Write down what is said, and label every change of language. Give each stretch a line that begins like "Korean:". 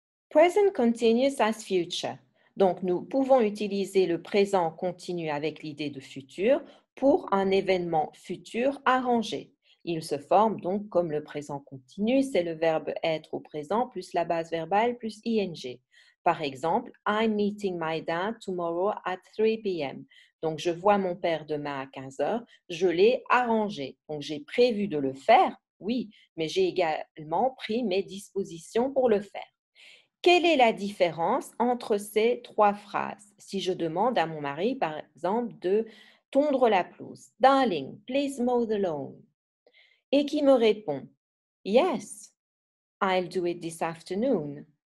English: Present continuous as future.
French: Donc, nous pouvons utiliser le présent continu avec l'idée de futur pour un événement futur arrangé. Il se forme donc comme le présent continu, c'est le verbe être au présent plus la base verbale plus ing. Par exemple,
English: I'm meeting my dad tomorrow at 3 p.m.
French: Donc, je vois mon père demain à 15 heures. Je l'ai arrangé. Donc, j'ai prévu de le faire. Oui, mais j'ai également pris mes dispositions pour le faire. Quelle est la différence entre ces trois phrases? Si je demande à mon mari, par exemple, de tondre la pelouse, «
English: Darling, please mow the lawn
French: », et qui me répond, «
English: Yes, I'll do it this afternoon.